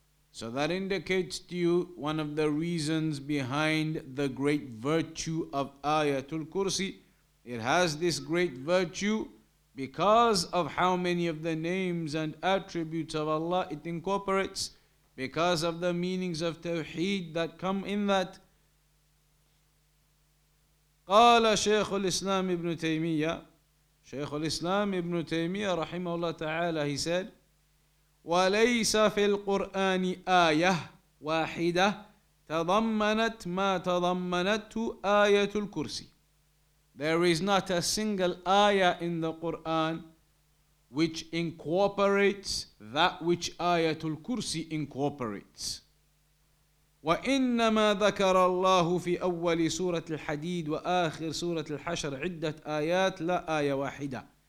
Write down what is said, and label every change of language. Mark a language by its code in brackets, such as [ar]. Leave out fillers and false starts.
[en] So that indicates to you one of the reasons behind the great virtue of Ayatul Kursi. It has this great virtue because of how many of the names and attributes of Allah it incorporates, because of the meanings of Tawheed that come in that. [ar] قال شيخ الإسلام ابن تيمية, شيخ الإسلام ابن تيمية رحمه الله تعالى, [en] he said, [ar] وليس في القرآن آية واحدة تضمنت ما تضمنته آية الكرسي. [en] There is not a single ayah in the Quran which incorporates that which Ayatul Kursi incorporates. [ar] وَإِنَّمَا ذَكَرَ اللَّهُ فِي أَوَّلِ سُورَةِ الْحَدِيدِ وَآخِرِ سُورَةِ الْحَشْرِ عِدَّةِ آيَاتِ لَا آيَةَ وَاحِدَةَ.